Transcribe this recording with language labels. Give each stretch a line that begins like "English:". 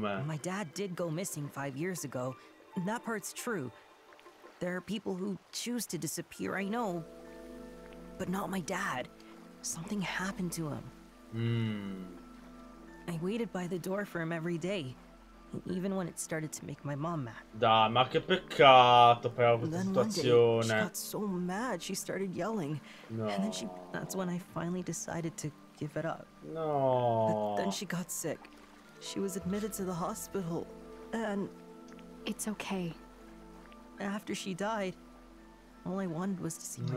English: My dad did go missing 5 years ago. That part's true. There are people who choose to disappear, I know. But not my dad. Something happened to him. I waited by the door for him every day. Even when it started to make my mom mad.
Italian: Dai, ma che peccato per questa situazione.
English: She got so mad, she started yelling. No. And then that's when I finally decided to give it up. No. But then she got sick. She was admitted to the hospital. And it's okay. After she died, all I wanted was to see my